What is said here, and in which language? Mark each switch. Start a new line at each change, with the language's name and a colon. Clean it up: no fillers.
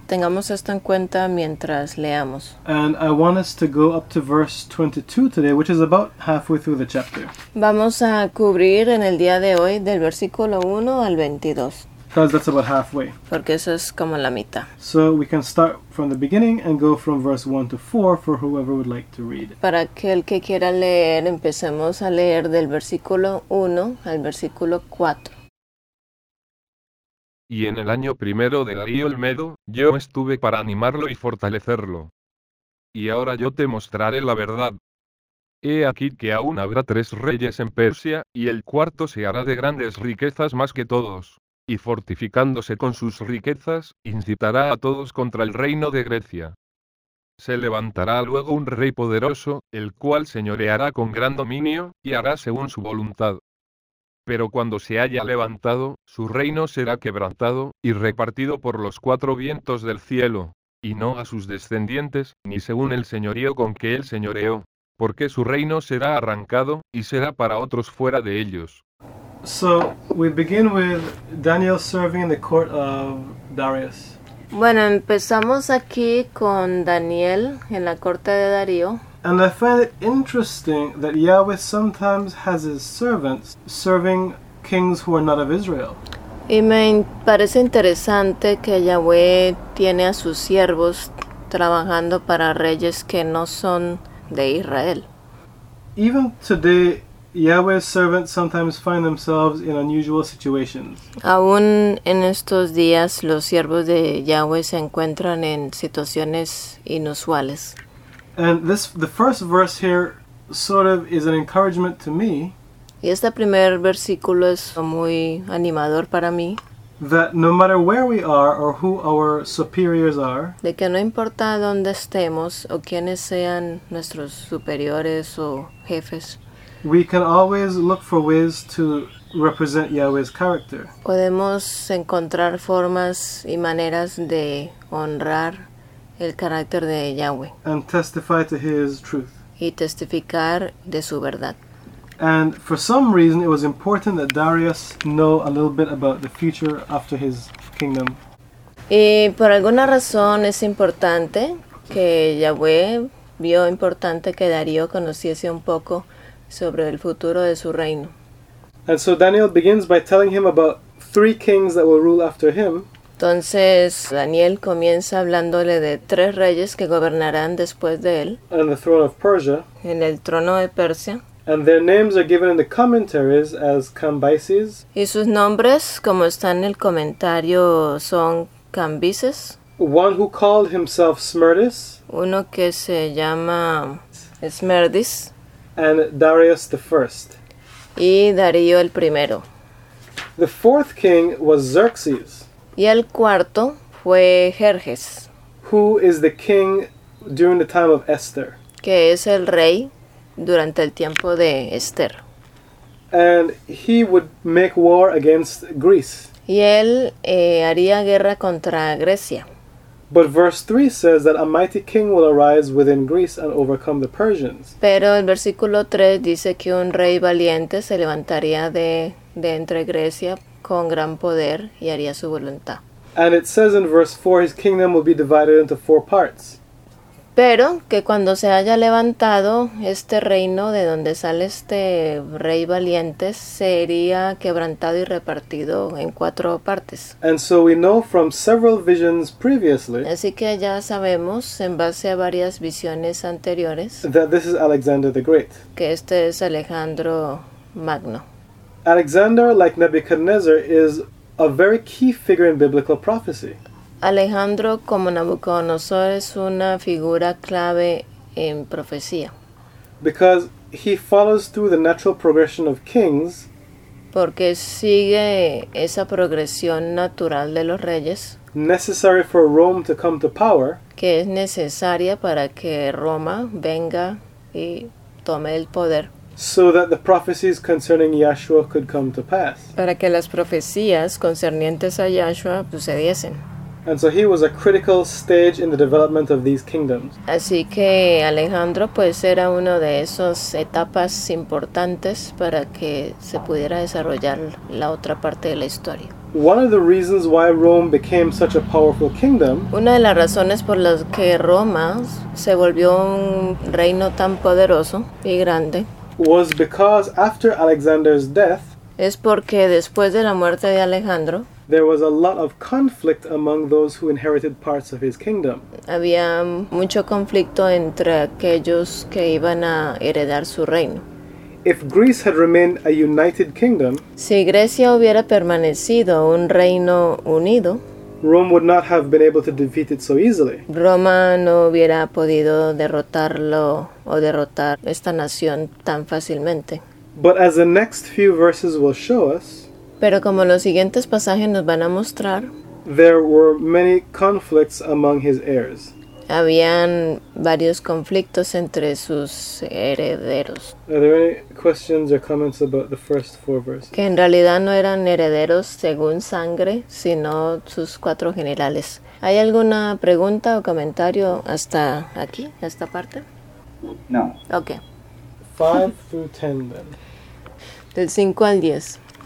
Spanish: Tengamos esto en cuenta mientras leamos.
English: And I want us to go up to verse 22 today, which is about halfway through the chapter.
Spanish: Vamos a cubrir en el día de hoy del versículo 1 al 22.
English: Because that's about halfway.
Spanish: Porque eso es como la mitad.
English: So we can start from the beginning and go from verse 1 to 4 for whoever would like to read.
Spanish: Para aquel que quiera leer, empecemos a leer del versículo 1 al versículo 4. Y en el año primero de Darío el Medo, yo estuve para animarlo y fortalecerlo. Y ahora yo te mostraré la verdad. He aquí que aún habrá tres reyes en Persia, y el cuarto se hará de grandes riquezas más que todos. Y fortificándose con sus riquezas, incitará a todos contra el reino de Grecia. Se levantará luego un rey poderoso, el cual señoreará con gran dominio, y hará según su voluntad. Pero cuando se haya levantado, su reino será quebrantado, y repartido por los cuatro vientos del cielo, y no a sus descendientes, ni según el señorío con que él señoreó, porque su reino será arrancado, y será para otros fuera de ellos.
English: So, we begin with Daniel serving in the court of Darius.
Spanish: Bueno, empezamos aquí con Daniel en la corte de Darío.
English: And I find it interesting that Yahweh sometimes has his servants serving kings who are not of Israel.
Spanish: Y me parece interesante que Yahweh tiene a sus siervos trabajando para reyes que no son de Israel.
English: Even today, Yahweh's servants sometimes find themselves in unusual situations.
Spanish: Aún en estos días, los siervos de Yahweh se encuentran en situaciones inusuales.
English: And this, the first verse here, sort of is an encouragement to me.
Spanish: Y este primer versículo es muy animador para mí.
English: That no matter where we are or who our superiors are.
Spanish: De que no importa dónde estemos o quiénes sean nuestros superiores o jefes.
English: We can always look for ways to represent Yahweh's character.
Spanish: Podemos encontrar formas y maneras de honrar el carácter de Yahweh.
English: And testify to his truth.
Spanish: Y testificar de su verdad.
English: And for some reason it was important that Darius know a little bit about the future after his kingdom.
Spanish: Y por alguna razón es importante que Yahweh vio importante que Darío conociese un poco sobre el futuro de su reino.
English: And so Daniel begins by telling him about three kings that will rule after him.
Spanish: Entonces Daniel comienza hablándole de tres reyes que gobernarán después de él.
English: And the throne of Persia.
Spanish: En el trono de Persia.
English: And their names are given in the commentaries as Cambyses.
Spanish: Y sus nombres, como están en el comentario, son Cambises.
English: One who called himself Smerdis.
Spanish: Uno que se llama Smerdis.
English: And Darius the first.
Spanish: Y Darío el primero.
English: The fourth king was Xerxes.
Spanish: Y el cuarto fue Jerjes.
English: Who is the king during the time of Esther.
Spanish: Que es el rey durante el tiempo de Esther.
English: And he would make war against Greece.
Spanish: Y él haría guerra contra Grecia.
English: But verse 3 says that a mighty king will arise within Greece and overcome the Persians.
Spanish: Pero el versículo 3 dice que un rey valiente se levantaría de entre Grecia con gran poder y haría su voluntad.
English: And it says in verse 4 his kingdom will be divided into four parts.
Spanish: Pero que cuando se haya levantado este reino de donde sale este rey valiente sería quebrantado y repartido en cuatro partes.
English: And so we know from several visions previously.
Spanish: Así que ya sabemos en base a varias visiones anteriores
English: that this is Alexander the Great.
Spanish: Que este es Alejandro Magno.
English: Alexander, like Nebuchadnezzar, is a very key figure in biblical prophecy.
Spanish: Alejandro, como Nabucodonosor, es una figura clave en profecía.
English: Because he follows through the natural progression of kings.
Spanish: Porque sigue esa progresión natural de los reyes.
English: Necessary for Rome to come to power.
Spanish: Que es necesaria para que Roma venga y tome el poder.
English: So that the prophecies concerning Yahshua could come to pass.
Spanish: Para que las profecías concernientes a Yahshua sucediesen.
English: And so he was a critical stage in the development of these kingdoms.
Spanish: Así que Alejandro pues era uno de esos etapas importantes para que se pudiera desarrollar la otra parte de la historia.
English: One of the reasons why Rome became such a powerful kingdom.
Spanish: Una de las razones por las que Roma se volvió un reino tan poderoso y grande.
English: Was because after Alexander's death.
Spanish: Es porque después de la muerte de Alejandro.
English: There was a lot of conflict among those who inherited parts of his kingdom.
Spanish: Había mucho conflicto entre aquellos que iban a heredar su reino.
English: If Greece had remained a united kingdom,
Spanish: si Grecia hubiera permanecido un reino unido,
English: Rome would not have been able to defeat it so easily.
Spanish: Roma no hubiera podido derrotarlo o derrotar esta nación tan fácilmente.
English: But as the next few verses will show us,
Spanish: pero como los siguientes pasajes nos van a mostrar,
English: there were many conflicts among his heirs.
Spanish: Habían varios conflictos entre sus herederos.
English: Are there any questions or comments about the first four verses?
Spanish: Que en realidad no eran herederos según sangre, sino sus cuatro generales. ¿Hay alguna pregunta o comentario hasta aquí, esta parte? No.
English: Okay. 5-10 then.
Spanish: Del 5 al 10.